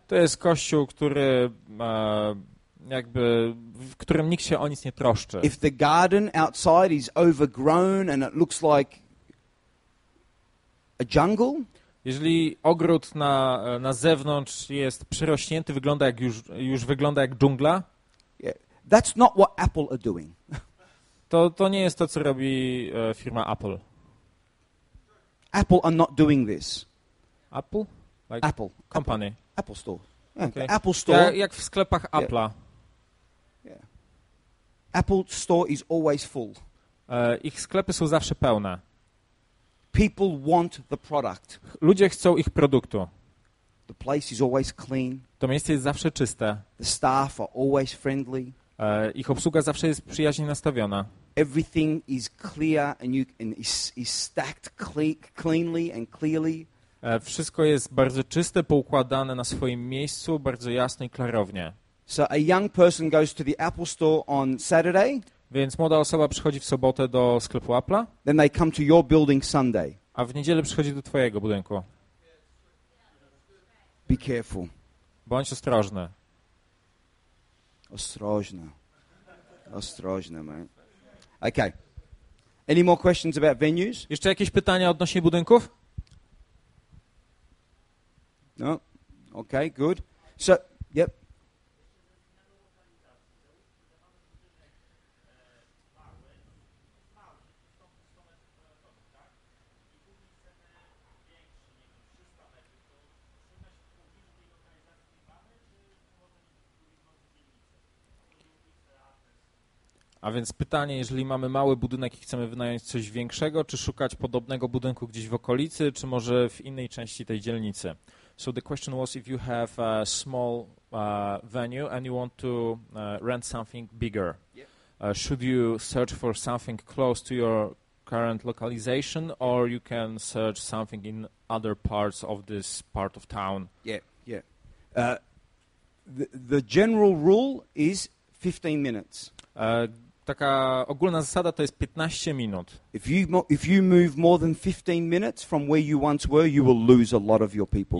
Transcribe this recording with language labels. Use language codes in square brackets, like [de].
[pl] To jest kościół, który jakby w którym nikt się o nic nie troszczy. [en] If the garden outside is overgrown and it looks like a jungle, [pl] jeżeli ogród na zewnątrz jest przerośnięty, wygląda jak już wygląda jak dżungla. [en] Yeah. That's not what Apple are doing. [pl] To nie jest to, co robi firma Apple. [en] Apple are not doing this. Apple? Like Apple. Company. Apple Store. Okay. Okay. Apple Store. [pl] Jak w sklepach Apple'a. [en] Yeah. Apple Store is always full. [pl] Ich sklepy są zawsze pełne. [en] People want the product. [pl] Ludzie chcą ich produktu. [en] The place is always clean. [pl] To miejsce jest zawsze czyste. [en] The staff are always friendly. [pl] Ich obsługa zawsze jest przyjaźnie nastawiona. [en] Everything is clear and is stacked cleanly and clearly. [pl] Wszystko jest bardzo czyste, poukładane na swoim miejscu, bardzo jasno i klarownie. [en] So a young person goes to the Apple Store on Saturday. [pl] Więc młoda osoba przychodzi w sobotę do sklepu Apple. [en] Then they come to your building Sunday. [pl] A w niedzielę przychodzi do twojego budynku. [en] Be careful. [pl] Bądź ostrożny. Ostrożny, man. Okay. [en] Any more questions about venues? [pl] Jeszcze jakieś pytania odnośnie budynków? [en] No. Okay, good. So, yep. [pl] A więc pytanie, jeżeli mamy mały budynek i chcemy wynająć coś większego, czy szukać podobnego budynku gdzieś w okolicy, czy może w innej części tej dzielnicy? [en] So the question was, if you have a small venue and you want to rent something bigger, should you search for something close to your current localization, or you can search something in other parts of this part of town? Yeah. The general rule is 15 minutes. [pl] Taka ogólna zasada to jest 15 minut. [en] If you move more than 15 minutes from where you once were, you will lose a lot of your people.